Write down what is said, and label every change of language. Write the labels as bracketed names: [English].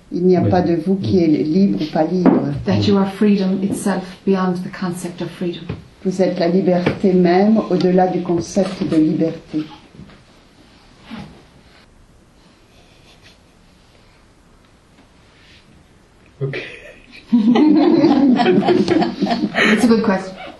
[French] Il n'y a pas de vous qui est libre ou pas libre. [English] That you are freedom itself beyond the concept of freedom. [French] Vous êtes la liberté même au-delà du concept de liberté. [English] Okay. It's a good question.